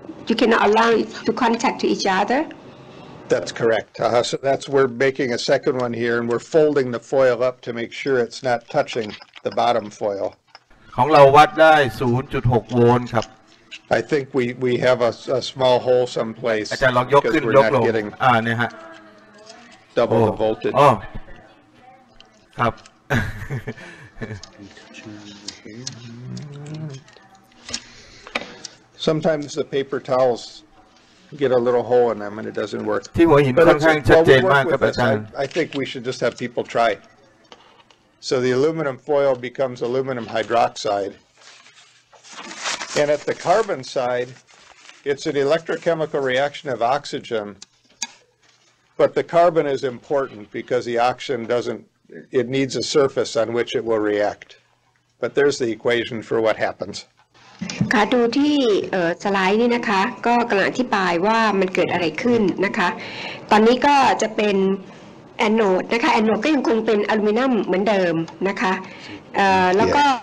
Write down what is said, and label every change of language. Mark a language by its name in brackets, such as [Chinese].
[English] You cannot allow to contact to each other. That's correct. So that's we're making a second one here, and we're folding the foil up to make sure it's not touching the bottom foil. [Thai] ของเราวัดได้ 0.6 โวลต์ครับ [English] I think we have a small hole someplace. [Thai] อาจารย์ลองยกขึ้นยกลงเนี่ยฮะ [English] Double the voltage. [Thai] ครับ [English] Sometimes the paper towels get a little hole in them and it doesn't work. [Thai] ที่หัวหินค่อนข้างชัดเจนมากครับอาจารย์ [English] I think we should just have people try. So the aluminum foil becomes aluminum hydroxide. And at the carbon side, it's an electrochemical reaction of oxygen, but the carbon is important because the oxygen doesn't, it needs a surface on which it will react. But there's the equation for what happens. [Thai] ค่ะดูที่สไลด์นี่นะคะก็กำลังอธิบายว่ามันเกิดอะไรขึ้นนะคะตอนนี้ก็จะเป็นแอนโนดนะคะแอนโนดก็ยังคงเป็นอลูมิเนียมเหมือนเดิมนะคะแล้วก็